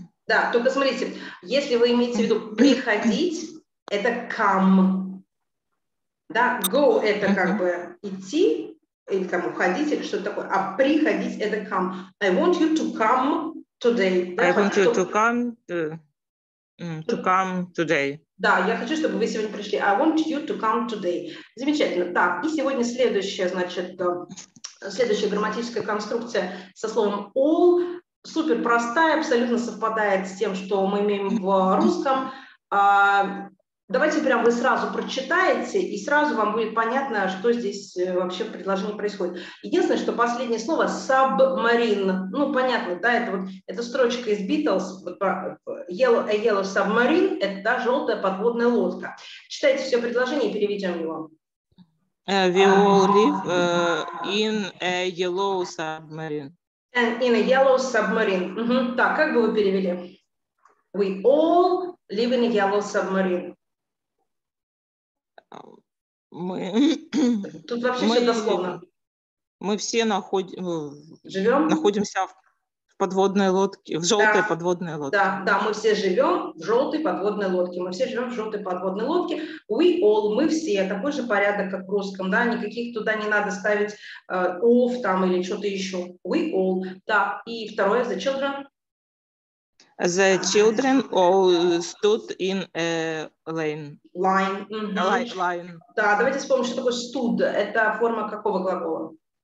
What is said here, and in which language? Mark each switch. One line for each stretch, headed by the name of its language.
Russian: Да, только смотрите, если вы имеете в виду приходить, это come. Да, go – это как бы идти или там уходить или что-то такое, а приходить – это come.
English: I want you to come today. Да, I want you to come to come today.
Russian: Да, я хочу, чтобы вы сегодня пришли.
English: I want you to come today.
Russian: Замечательно. Так, и сегодня следующая, значит, следующая грамматическая конструкция со словом all. Супер простая, абсолютно совпадает с тем, что мы имеем в русском. Давайте прям вы сразу прочитаете, и сразу вам будет понятно, что здесь вообще в предложении происходит. Единственное, что последнее слово submarine. Ну, понятно, да, это вот эта строчка из Beatles.
English: Yellow, a yellow submarine
Russian: – это, да, желтая подводная лодка. Читайте все предложение и переведем его.
English: We all live in a yellow submarine. And in a yellow submarine.
Russian: Так, как бы вы перевели?
English: We all live in a yellow submarine.
Russian: Мы... Тут вообще мы... все дословно. Мы все живем? Находимся в подводной лодке, в желтой, да, подводной лодке. Да, да, мы все живем в желтой подводной лодке. Мы все живем в желтой подводной лодке.
English: We all,
Russian: мы все, такой же порядок, как в русском, да, никаких туда не надо ставить of там или что-то еще.
English: We all,
Russian: да. И второе,
English: the children. The children all stood in a line. Line. Mm-hmm. Line.
Russian: Да, давайте вспомним, что такое stood. Это форма какого глагола?